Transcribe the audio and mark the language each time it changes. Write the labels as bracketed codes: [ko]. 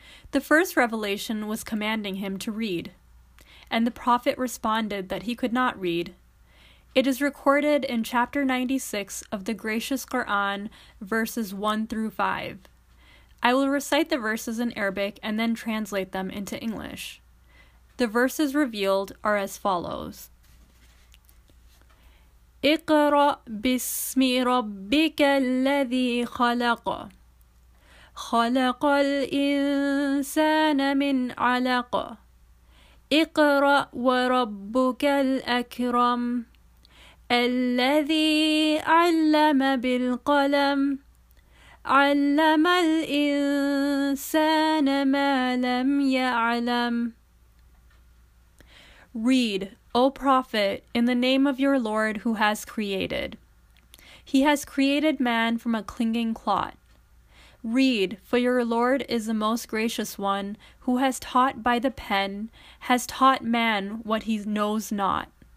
[en] The first revelation was commanding him to read, and the prophet responded that he could not read. It is recorded in chapter 96 of the Gracious Quran, verses 1 through 5. I will recite the verses in Arabic and then translate them into English. The verses revealed are as follows. [ar] اقرأ باسم ربك الذي خلق خلق الإنسان من علق اقرأ وربك الأكرم الذي علم بالقلم علم الإنسان ما لم يعلم. [en] Read, O Prophet, in the name of your Lord who has created. He has created man from a clinging clot. Read, for your Lord is the most gracious one who has taught by the pen, has taught man what he knows not.